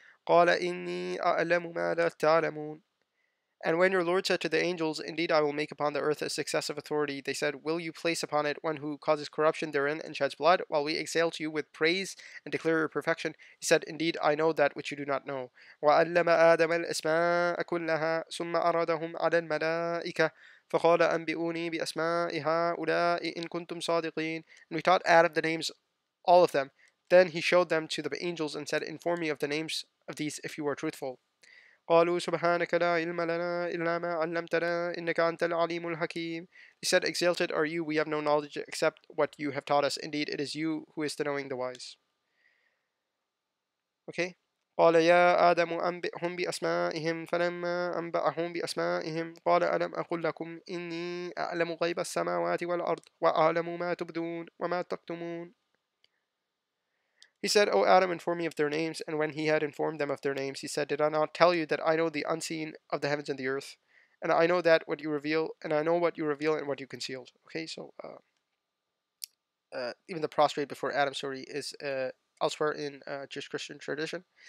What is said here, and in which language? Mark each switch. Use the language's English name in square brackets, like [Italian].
[Arabic] قَالَ إِنِّي أَعْلَمُ مَا لَا تَعْلَمُونَ [English] And when your Lord said to the angels, Indeed, I will make upon the earth a successive authority, they said, Will you place upon it one who causes corruption therein and sheds blood, while we exhale to you with praise and declare your perfection? He said, Indeed, I know that which you do not know. [Arabic] وَعَلَّمَ آدَمَ الْأَسْمَاءَ كُلَّهَا ثُمَّ أَرَادَهُمْ عَلَى الْمَلَائِكَةِ فَقَالَ أَنْبِئُونِي بِأَسْمَائِهَا أُولَاءِ إِن كُنْتُمْ صَادِقِينَ [English] And we taught Adam the names, all of them. Then he showed them to the angels and said, Inform me of the names of these if you are truthful. [Arabic] قالوا سبحانك لا علم لنا إلا ما علمتنا إنك أنت العليم الحكيم. [English] He said, Exalted are you, we have no knowledge except what you have taught us. Indeed, it is you who is the knowing, the wise. Okay. [Arabic] قال يا آدم أنبئهم بأسمائهم فلما أنبأهم بأسمائهم قال ألم أقل لكم إني أعلم غيب السماوات والأرض وأعلم ما تبدون وما تكتمون. [English] He said, O Adam, inform me of their names. And when he had informed them of their names, he said, Did I not tell you that I know the unseen of the heavens and the earth? And I know that what you reveal, and I know what you reveal and what you concealed. Okay, so even the prostrate before Adam story is elsewhere in Jewish Christian tradition.